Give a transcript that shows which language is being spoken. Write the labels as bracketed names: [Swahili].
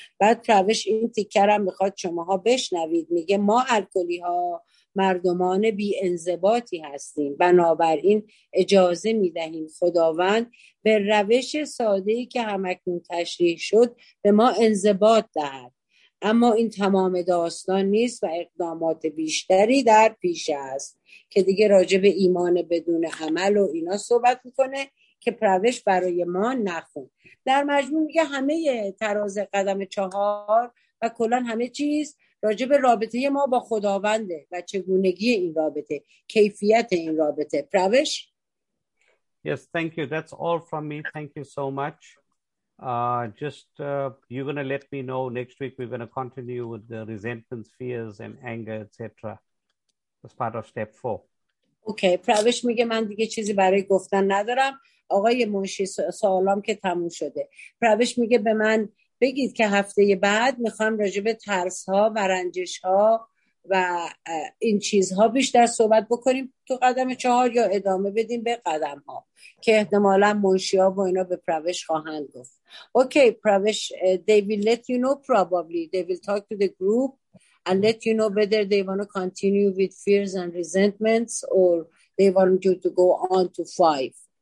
[Persian] بعد پروش این تیکرم میخواد شماها بشنوید، میگه ما الکلی ها مردمان بی انضباطی هستیم، بنابراین اجازه می دهیم خداوند به روش ساده‌ای که همکنون تشریح شد به ما انضباط دهد، اما این تمام داستان نیست و اقدامات بیشتری در پیش است که دیگه راجع به ایمان بدون عمل و اینا صحبت میکنه که پروش برای ما نخون. در مجموع میگه همه تراز قدم چهار و کلان همه چیز راجع به رابطه ما با خداونده و چگونگی این رابطه، کیفیت این رابطه. پروش؟ [English] Yes, thank you. That's all from me. Thank you so much. You're going to let me know next week. We're going to continue with the resentments, fears, and anger, etc. As part of step four. Okay. [Persian] پروش میگه من دیگه چیزی برای گفتن ندارم. آقای منشی سوالام که تموم شده. پروش میگه به من بگید که هفته بعد میخوام راجع به ترس ها و رنجش ها و این چیزها بیشتر صحبت بکنیم تو قدم چهار یا ادامه بدیم به قدم ها که احتمالا منشی ها با اینا به پروش خواهند گفت. [English] Okay پروش, they will let you know probably, they will talk to the group and let you know whether they want to continue with fears and resentments or they want you to go on to five.